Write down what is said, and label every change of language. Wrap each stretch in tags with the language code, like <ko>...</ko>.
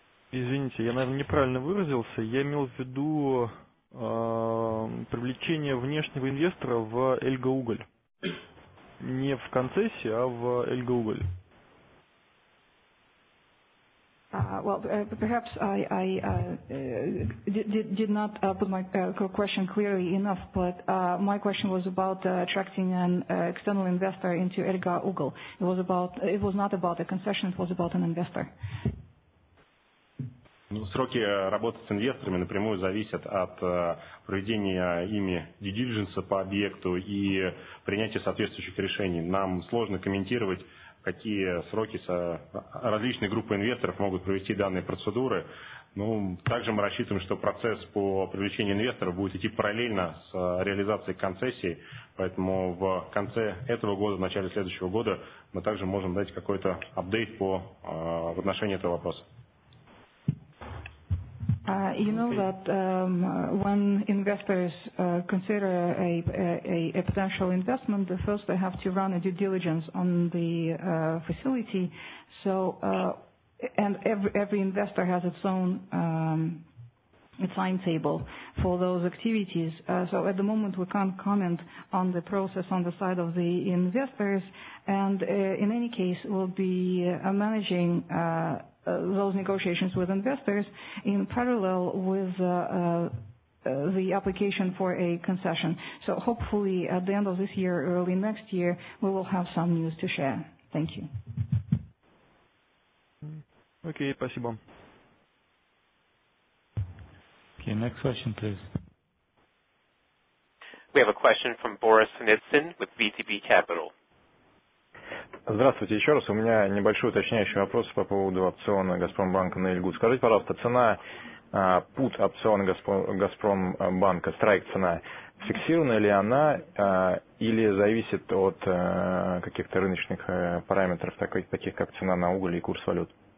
<ru>Извините, я, наверное, неправильно выразился. Я имел в виду привлечение внешнего инвестора в Эльга Уголь. Не в концессии, а в Эльга Уголь.</ru> <en>Perhaps I did not put my question clearly enough, but my question was about attracting an external investor into Эльга Уголь. It was not about a concession, it was about an investor.</en> <ru>Ну, сроки работы с инвесторами напрямую зависят от проведения ими due diligence по объекту и принятия соответствующих решений. Нам сложно комментировать, какие сроки различные группы инвесторов могут провести данные процедуры. Ну, также мы рассчитываем, что процесс по привлечению инвесторов будет идти параллельно с реализацией концессии, поэтому в конце этого года, в начале следующего года мы также можем дать какой-то апдейт в отношении этого вопроса.</ru> <en>You know that when investors consider a potential investment, first they have to run a due diligence on the facility. So, and every investor has its own timetable for those activities. So at the moment we can't comment on the process on the side of the investors. And in any case, we'll be managing those negotiations with investors in parallel with the application for a concession. So hopefully at the end of this year, early next year, we will have some news to share. Thank you.</en> <ru>Okay, спасибо.</ru> <en>Okay, next question, please. We have a question from Boris Sinitsyn with VTB Capital.</en> <ru>Здравствуйте еще раз. У меня небольшой уточняющий вопрос по поводу опциона Газпромбанка на Эльгу. Скажите, пожалуйста, цена пут опциона Газпромбанка, страйк цена, фиксирована ли она или зависит от каких-то рыночных параметров, таких как цена на уголь и курс валют?</ru>